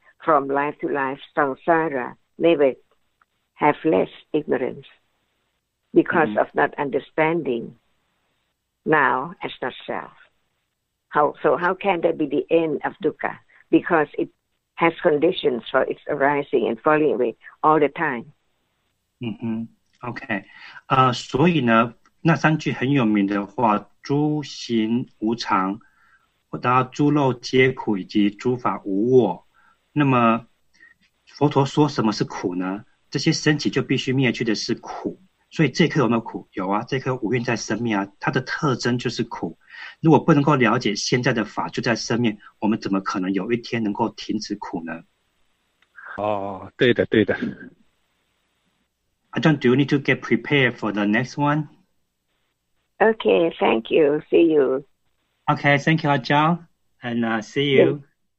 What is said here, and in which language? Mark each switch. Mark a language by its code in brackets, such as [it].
[en] From life to life, samsara, never have less ignorance because of not understanding now as not self. How can that be the end of dukkha? Because it has conditions for its arising and falling away all the time. Okay. [zh] 所以呢，那三句很有名的话，诸行无常，或者诸漏皆苦，以及诸法无我。那么佛陀说什么是苦呢？这些升起就必须灭去的是苦。所以这颗有没有苦？有啊，这颗五蕴在生灭啊，它的特征就是苦。如果不能够了解现在的法就在生灭，我们怎么可能有一天能够停止苦呢？哦，对的，对的。 [en] Ajahn, do you need to get prepared for the next one? Okay, thank you. See you. Okay, thank you, Ajahn, and see you. Yeah.